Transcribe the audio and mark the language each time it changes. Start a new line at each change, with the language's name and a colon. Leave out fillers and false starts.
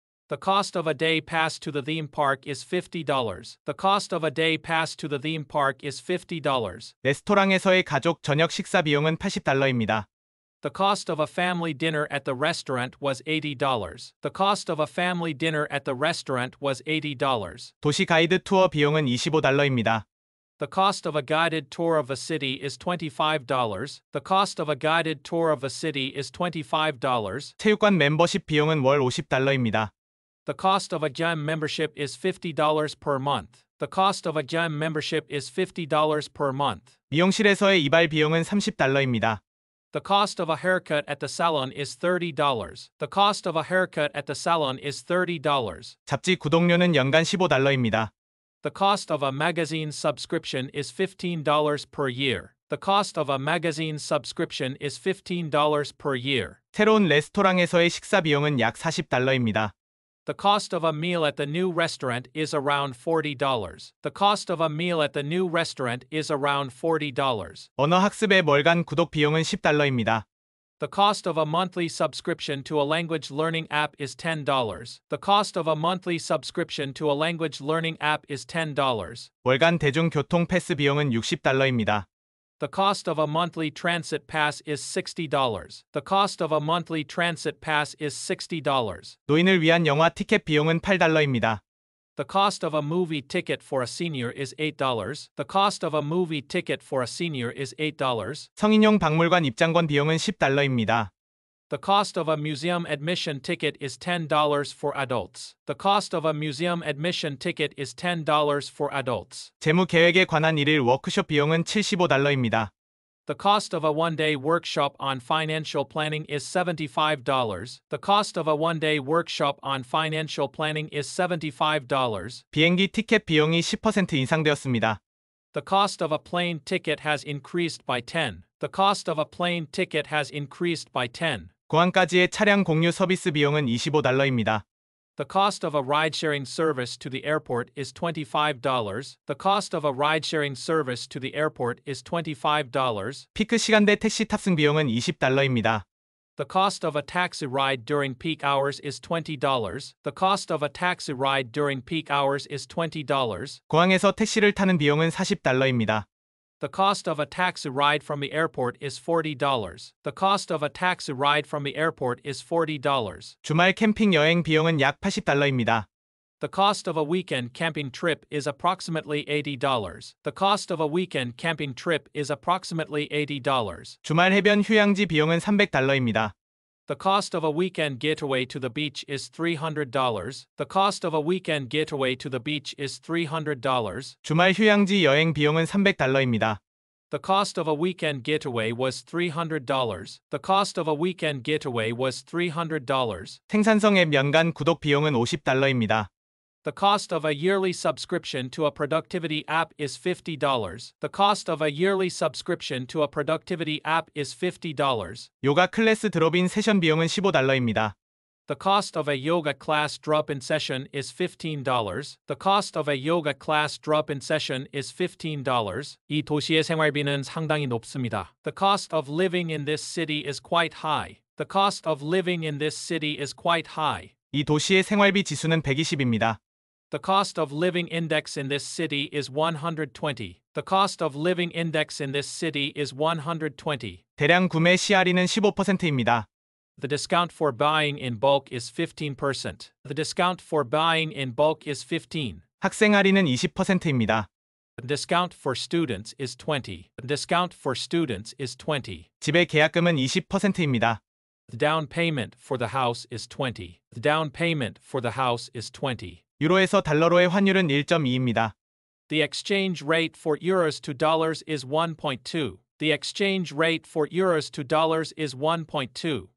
English: The cost of a day pass to the theme park is $50. The cost of a day pass to the theme park is $50.
Korean: 레스토랑에서의 가족 저녁 식사 비용은 $80입니다.
English: The cost of a family dinner at the restaurant was $80. The cost of a family dinner at the restaurant was $80.
Korean: 도시 가이드 투어 비용은 $25입니다.
English: The cost of a guided tour of a city is $25. The cost of a guided tour of a city is $25.
Korean: 체육관 멤버십 비용은 월 $50입니다.
English: The cost of a gym membership is $50 per month. The cost of a gym membership is $50 per month.
Korean: 미용실에서의 이발 비용은 $30입니다.
English: The cost of a haircut at the salon is $30. The cost of a haircut at the salon is $30.
Korean: 잡지 구독료는 연간 $15입니다.
English: The cost of a magazine subscription is $15 per year. The cost of a magazine subscription is $15 per year.
Korean: 새로운 레스토랑에서의 식사 비용은 약 $40입니다.
English: The cost of a meal at the new restaurant is around $40. The cost of a meal at the new restaurant is around $40.
Korean: 언어 학습에 월간 구독 비용은 $10입니다.
English: The cost of a monthly subscription to a language learning app is $10. The cost of a monthly subscription to a language learning app is $10.
Korean: 월간 대중교통 패스 비용은 $60입니다.
English: The cost of a monthly transit pass is $60. The cost of a monthly transit pass is $60.
Korean: 노인을 위한 영화 티켓 비용은 $8입니다.
English: The cost of a movie ticket for a senior is $8. The cost of a movie ticket for a senior is $8.
Korean: 성인용 박물관 입장권 비용은 $10입니다.
English: The cost of a museum admission ticket is $10 for adults. The cost of a museum admission ticket is $10 for adults.
Korean: 재무 계획에 관한 일일 워크숍 비용은 $75입니다.
English: The cost of a one-day workshop on financial planning is $75. The cost of a one-day workshop on financial planning is $75.
Korean: 비행기 티켓 비용이 10% 인상되었습니다.
English: The cost of a plane ticket has increased by 10. The cost of a plane ticket has increased by 10.
Korean: 공항까지의 차량 공유 서비스 비용은 $25입니다.
English: The cost of a ride-sharing service to the airport is $25. The cost of a ride-sharing service to the airport is $25.
Korean: 피크 시간대 택시 탑승 비용은 $20입니다.
English: The cost of a taxi ride during peak hours is $20. The cost of a taxi ride during peak hours is $20.
Korean: 공항에서 택시를 타는 비용은 $40입니다.
English: The cost of a taxi ride from the airport is $40. The cost of a taxi ride from the airport is $40.
Korean: 주말 캠핑 여행 비용은 약 $80입니다.
English: The cost of a weekend camping trip is approximately $80. The cost of a weekend camping trip is approximately $80.
Korean: 주말 해변 휴양지 비용은 $300입니다.
English: The cost of a weekend getaway to the beach is $300. The cost of a weekend getaway to the beach is $300.
Korean: 주말 휴양지 여행 비용은 $300입니다.
English: The cost of a weekend getaway was $300. The cost of a weekend getaway was $300.
Korean: 생산성 앱 연간 구독 비용은 $50입니다.
English: The cost of a yearly subscription to a productivity app is $50. The cost of a yearly subscription to a productivity app is $50.
Korean: 요가 클래스 드롭인 세션 비용은 $15입니다.
English: The cost of a yoga class drop-in session is $15. The cost of a yoga class drop-in session is $15.
Korean: 이 도시의 생활비는 상당히 높습니다.
English: The cost of living in this city is quite high. The cost of living in this city is quite high.
Korean: 이 도시의 생활비 지수는 120입니다.
English: The cost of living index in this city is 120. The cost of living index in this city is 120.
Korean: 대량 구매 CR이는 15%입니다.
English: The discount for buying in bulk is 15%. The discount for buying in bulk is 15.
Korean: 학생 할인은 20%입니다.
English: The discount for students is 20. The discount for students is 20.
Korean: 집의 계약금은 20%입니다.
English: The down payment for the house is 20. The down payment for the house is 20.
Korean: 유로에서 달러로의 환율은 1.2입니다.
English: The exchange rate for euros to dollars is 1.2. The exchange rate for euros to dollars is 1.2.